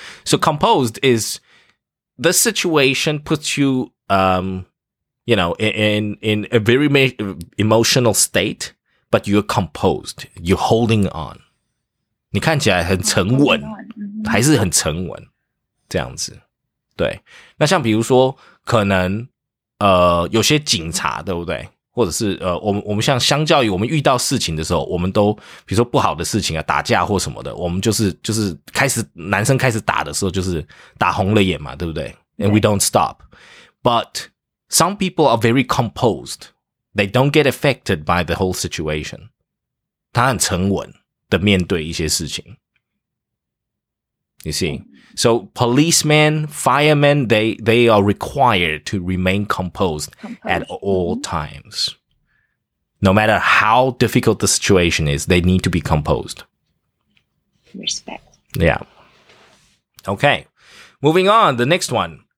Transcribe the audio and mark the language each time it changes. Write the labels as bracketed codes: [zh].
[en] So composed is the situation puts you, you know, in a very emotional state, but you're composed. You're holding on. [zh] 你看起来很沉稳，还是很沉稳，这样子。对。那像比如说，可能有些警察，对不对？或者是我们像相较于我们遇到事情的时候，我们都比如说不好的事情啊，打架或什么的，我们就是开始男生开始打的时候，就是打红了眼嘛，对不对 ？ [en] And we don't stop. But some people are very composed. They don't get affected by the whole situation. [zh] 他很沉稳的面对一些事情。 [en] You see, so policemen, firemen, they are required to remain composed at all times. No matter how difficult the situation is, they need to be composed. Respect. Yeah. Okay. Moving on, the next one.